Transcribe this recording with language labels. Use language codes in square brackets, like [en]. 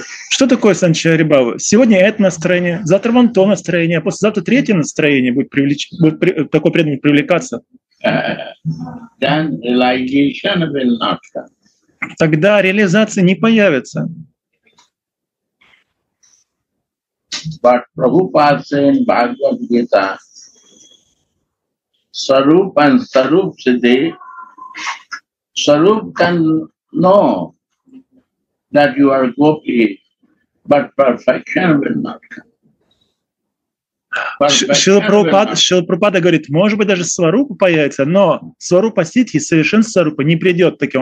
[ru] Что такое Санчари Бхава? Сегодня это настроение, завтра вон то настроение, а послезавтра третье настроение будет, такой преданный привлекаться. [en] Then realization will not come. [ru] Тогда реализация не появится. [en] But Prabhupada said in Bhagavad Gita, Sarup and Sarup Siddhi, Sarup can know that you are Gopi, but perfection will not come. [ru] Шрила Прабхупада говорит, может быть, даже сварупа появится, но сварупа ситхи, совершенство сварупа, не придет таким